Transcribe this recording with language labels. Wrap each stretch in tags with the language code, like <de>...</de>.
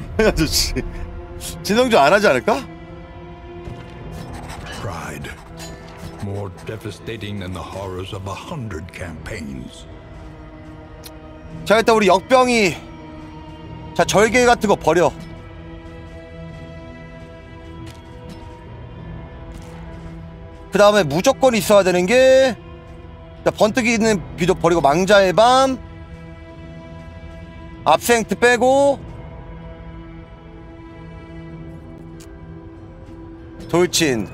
<ko>이 아저씨 진성주 안 하지 않을까?</ko> <en>Pride more devastating than the horrors of 100 campaigns.</en> <ko>자, 일단 우리 역병이 자 절개 같은 거 버려. 그 다음에 무조건 있어야 되는 게 자, 번뜩이 있는 비도 버리고 망자의 밤 압생트 빼고 돌진.</ko>